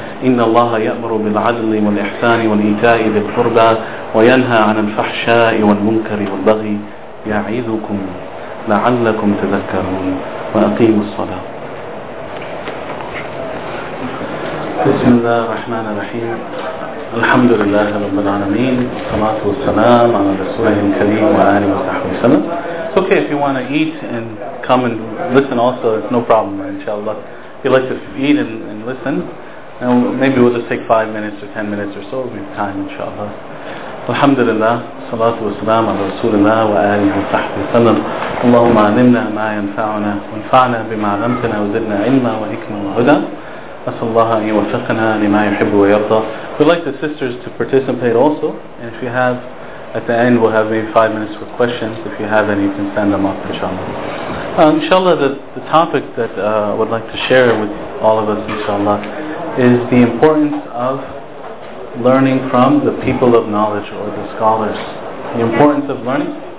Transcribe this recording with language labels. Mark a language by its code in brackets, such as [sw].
[ar] إن الله يأمر بالعدل والإحسان والإيتاء ذي القربى وينهى عن الفحشاء والمنكر والبغي يعظكم لعلكم تذكرون. وأقيم الصلاة. بسم الله الرحمن الرحيم. الحمد لله رب العالمين. الصلاة والسلام على رسوله الكريم وآله وصحبه وسلم. [en] It's okay if you want to eat and come and listen also. It's no problem, inshallah. If you like to eat and listen, and maybe we'll just take 5 minutes or 10 minutes or so. We have time, inshallah. [ar] الحمد لله الصلاة والسلام على رسول الله وآله وصحبه وسلم. اللهم علمنا ما ينفعنا وانفعنا بما علمتنا وزدنا علما وحكمة وهدى. أسأل الله أن يوفقنا لما يحب ويرضى. [en] We'd like the sisters to participate also, and if you have, at the end we'll have maybe 5 minutes for questions. If you have any, you can send them up, inshallah. Inshallah, the topic that I would like to share with all of us, inshallah, is the importance of learning from the people of knowledge or the scholars. The importance of learning?